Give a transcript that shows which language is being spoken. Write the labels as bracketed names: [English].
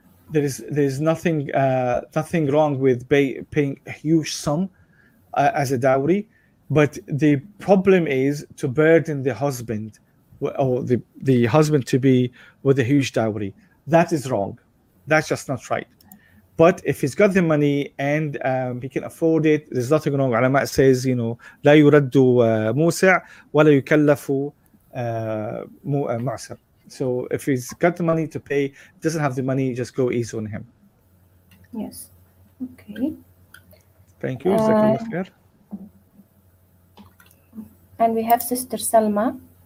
[English] There's nothing wrong with paying a huge sum as a dowry, but the problem is to burden the husband or the husband to be with a huge dowry. That is wrong. That's just not right. But if he's got the money and he can afford it, there's nothing wrong. Ulama says, you know, [Arabic] لا يرد موسع ولا يكلف معسر. [English] So if he's got the money to pay, doesn't have the money, just go easy on him. Yes. Okay. Thank you. Khair. And we have Sister Salma.